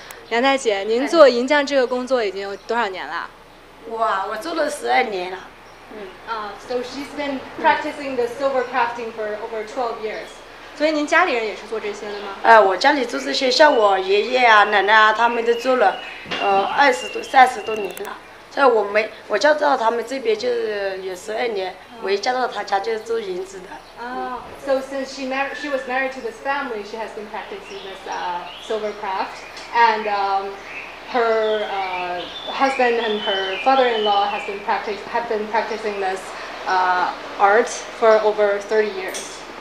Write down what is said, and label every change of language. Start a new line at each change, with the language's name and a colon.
Chinese: 杨大姐,您做银匠这个工作已经有多少年了? 我做了12年了。
English: So she's been practicing the silver crafting for over 12 years.
Chinese: 所以您家里人也是做这些的吗? 我家里做这些,像我爷爷啊,奶奶啊,他们都做了二十多年了。所以我嫁到他们这边就是有12年。
English: So since she was married to this family, she has been practicing this silver craft, and her husband and her father-in-law have been practicing this art for over 30 years.